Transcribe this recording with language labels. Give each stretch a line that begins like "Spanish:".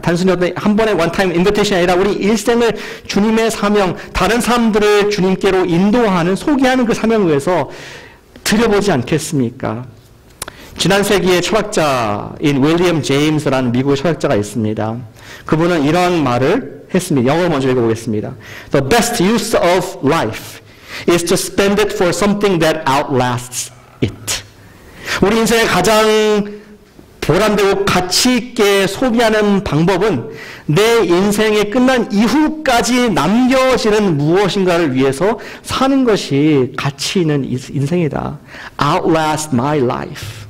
Korean: 단순히 한 번의 원타임 인비테이션이 아니라 우리 일생을 주님의 사명, 다른 사람들을 주님께로 인도하는, 소개하는 그 사명을 위해서 드려보지 않겠습니까? 지난 세기의 철학자인 윌리엄 제임스라는 미국의 철학자가 있습니다. 그분은 이런 말을 했습니다. 영어로 먼저 읽어보겠습니다.
English: The best use of life is to spend it for something that outlasts it.
Korean: 우리 인생의 가장 보람되고 가치 있게 소비하는 방법은 내 인생의 끝난 이후까지 남겨지는 무엇인가를 위해서 사는 것이 가치 있는 인생이다.
English: Outlast my life.